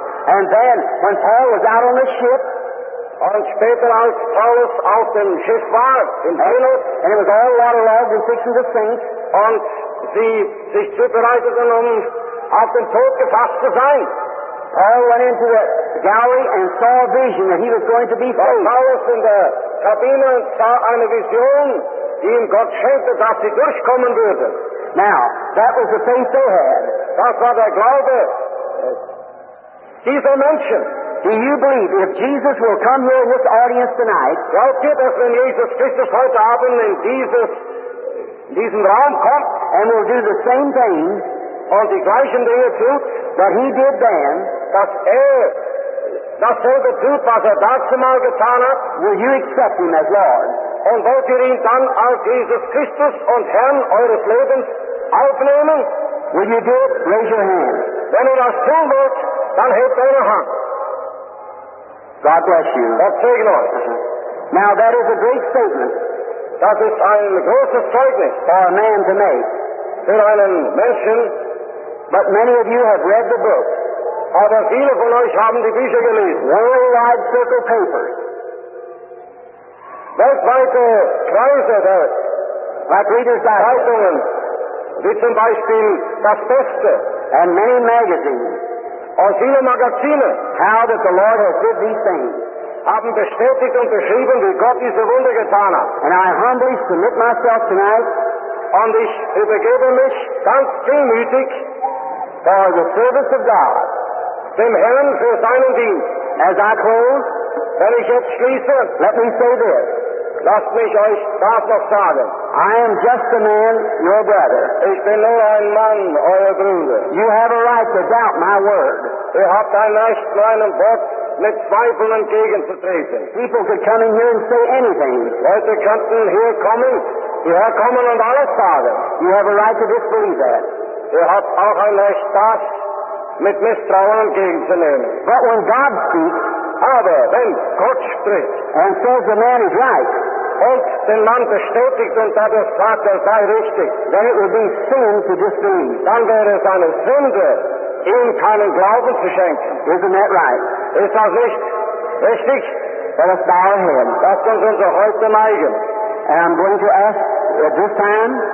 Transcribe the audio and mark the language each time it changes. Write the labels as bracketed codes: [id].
[en] And then, when Paul was out on the ship, [de] und später als Paulus auf dem Schiff war, in Paulus, [en] and it was all waterlogged and fishing the sink, [de] und sie sich zubereiteten, auf den Tod gefasst zu sein. [en] Paul went into the gallery and saw a vision that he was going to be saved. [de] Paulus in der Kabine sah eine Vision, die ihm Gott schenkte, dass sie durchkommen würde. [en] Now, that was the faith they had. [de] Das war der Glaube dieser Menschen. [en] Do you believe if Jesus will come here in this audience tonight, [de] glaubt ihr, dass wenn Jesus Christus heute Abend in diesen Raum kommt, [en] and will do the same thing, [de] und die gleichen Dinge tut, [en] that he did then, [de] dass Das selbe tut, was dazumal getan hat. [en] Will you accept him as Lord? [de] Und wollt ihr ihn dann als Jesus Christus und Herrn eures Lebens aufnehmen? [en] Will you do it? Raise your hand. [de] Wenn ihr das tun wollt, dann hebt eure Hand. [en] God bless you. [de] Gott segne euch. [en] Now that is a great statement. [de] Das ist ein großes Zeugnis. [en] For a man to make. [de] Für einen Menschen. [en] But many of you have read the book. [de] Aber viele von euch haben die Bücher gelesen. [en] Worldwide circle papers. [de] Weltweite Kreise der Zeitungen, wie zum Beispiel Das Beste. [en] And many magazines. [de] Und viele Magazine. [en] How that the Lord has did these things. [de] Haben bestätigt und beschrieben, wie Gott diese Wunder getan hat. [en] And I humbly submit myself tonight. [de] Und ich übergebe mich ganz demütig [en] for the service of God. [de] Dem Herrn für seinen Dienst. [en] As I close, [de] wenn ich jetzt schließe, [en] let me say this. [de] Lasst mich euch das noch sagen. [en] I am just a man, your brother. [de] Ich bin nur ein Mann, euer Bruder. [en] You have a right to doubt my word. [de] Ihr habt ein Recht, meinem Wort mit Zweifeln entgegenzutreten. [en] People could come in here and say anything. [de] Leute könnten hier kommen, hierher kommen und alles sagen. [en] You have a right to disbelieve that. [de] Ihr habt auch ein Recht, das mit Misstrauen entgegenzunehmen. [en] But when God speaks, [de] aber wenn Gott spricht, [en] and says the man is right, [de] und den Mann bestätigt und dadurch sagt, er sei richtig, [en] then it would be sin to disbelieve. [de] Dann wäre es eine Sünde, ihm keinen Glauben zu schenken. [en] Isn't that right? [de] Ist das nicht richtig? [en] Let us bow our hands. [de] Lasst uns unser Häupter neigen. [en] And I'm going to ask at this time,